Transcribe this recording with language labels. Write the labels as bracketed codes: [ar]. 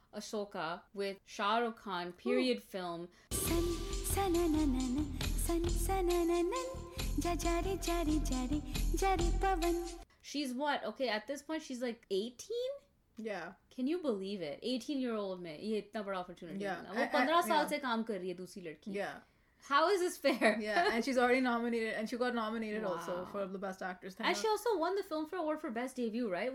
[en] Ahsoka with Shah Rukh Khan, period film. She's what? Okay, at this point, she's like 18? Yeah. Can you believe it? [hi] 18-year-old mein, ye itna bada opportunity. [en] Yeah. [hi] वो 15 साल से काम कर रही है, दूसरी लड़की. [en] Yeah. How is this fair? Yeah, and she's already nominated, and she got nominated also for the best actress. And she also won the film for award for best debut, right?